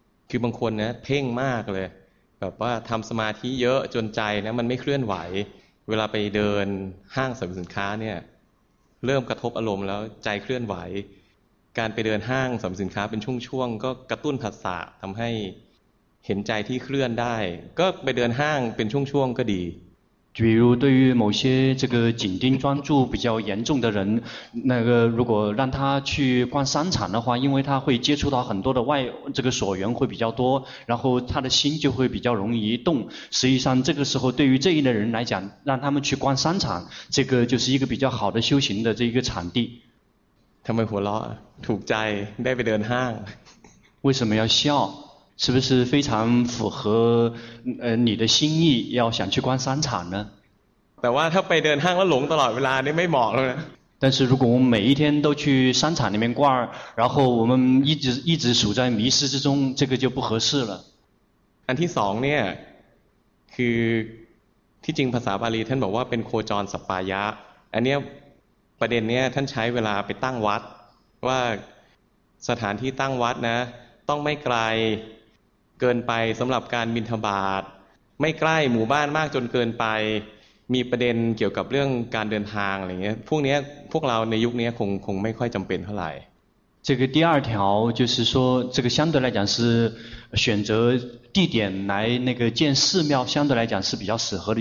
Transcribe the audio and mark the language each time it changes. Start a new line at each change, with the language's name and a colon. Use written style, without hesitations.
Thai: คือบางคนเนี่ยเพ่งมากเลยแบบว่าทำสมาธิเยอะจนใจนะมันไม่เคลื่อนไหวเวลาไปเดินห้างสรรพสินค้าเนี่ยเริ่มกระทบอารมณ์แล้วใจเคลื่อนไหวการไปเดินห้างสรรพสินค้าเป็นช่วงๆก็กระตุ้นผัสสะทำให้เห็นใจที่เคลื่อนได้ก็ไปเดินห้างเป็นช่วงๆก็ดี
Chinese: 比如对于某些这个紧盯专注比较严重的人那个如果让他去逛商场的话因为他会接触到很多的外这个所缘会比较多然后他的心就会比较容易动实际上这个时候对于这一类人来讲让他们去逛商场这个就是一个比较好的修行的这一个场地他们活了土在那边的人哈为什么要笑是不是非常符合你的心意要想去逛商场呢
Thai: แต่ว่าถ้าไปเดินห้างแล้วหลงตลอดเวลานี่ไม่เหมาะแล้วนะ
Chinese: 但是如果我们每一天都去商场里面逛然后我们一直处在迷失之中这个就不合适了
Thai: อันที่สองเนี่ยคือที่จริงภาษาบาลีท่านบอกว่าเป็นโคจรสัปปายะอันเนี้ยประเด็นเนี้ยท่านใช้เวลาไปตั้งวัดว่าสถานที่ตั้งวัดนะต้องไม่ไกลเกินไปสำหรับการบิณฑบาตไม่ใกล้หมู่บ้านมากจนเกินไปมีประเด็นเกี่ยวกับเรื่องการเดินทางอะไรเงี้ยพวกนี้พวกเราในยุคนี้คงไม่ค่อยจำเป็นเท่าไหร่
Chinese: 这个第二条就是说，这个相对来讲是选择地点来那个建寺庙，相对来讲是比较适合的。